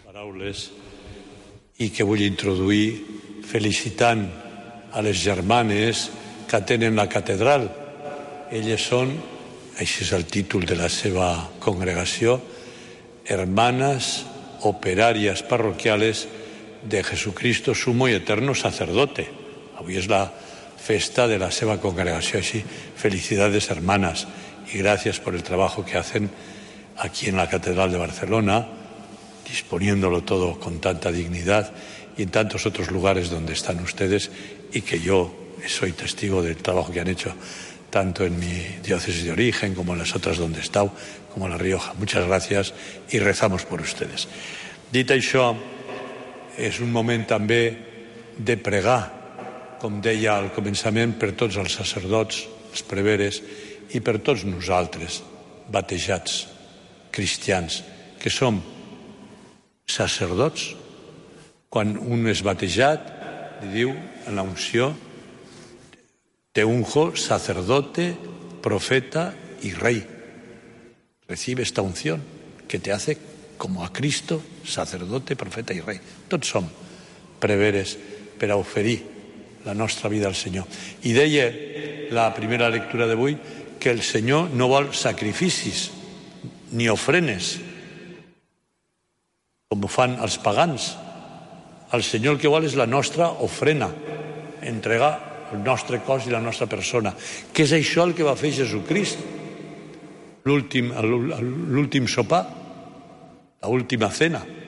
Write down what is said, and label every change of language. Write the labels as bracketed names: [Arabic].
[Catalan] Paraules, i que vull introduir felicitant a les germanes que tenen la catedral. Elles són, així és el títol de la seva congregació, Hermanas Operarias Parroquiales de Jesucristo, sumo y eterno sacerdote. Avui és la festa de la seva congregació. [Spanish] Així, felicidades, hermanas, y gracias por el trabajo que hacen aquí en la Catedral de Barcelona, disponiéndolo todo con tanta dignidad, y en tantos otros lugares donde están ustedes, y que yo soy testigo del trabajo que han hecho tanto en mi diócesis de origen como en las otras donde he estado, como en La Rioja. Muchas gracias y rezamos por ustedes. [Catalan] Dit això, és un moment també de pregar, com deia al començament, per tots els sacerdots, els preveres, i per tots nosaltres, batejats, cristians, que som sacerdots. Quan un és batejat, li diu en la unció: [Spanish] te unjo sacerdote, profeta y rey. Recibe esta unción que te hace como a Cristo, sacerdote, profeta y rey. [Catalan] Tots som preveres per a oferir la nostra vida al Senyor. I deia la primera lectura d'avui que el Senyor no vol sacrificis ni ofrenes com ho fan els pagans. El Senyor el que vol és la nostra ofrena, entregar el nostre cos i la nostra persona, que és això el que va fer Jesucrist l'últim sopar, l'última cena.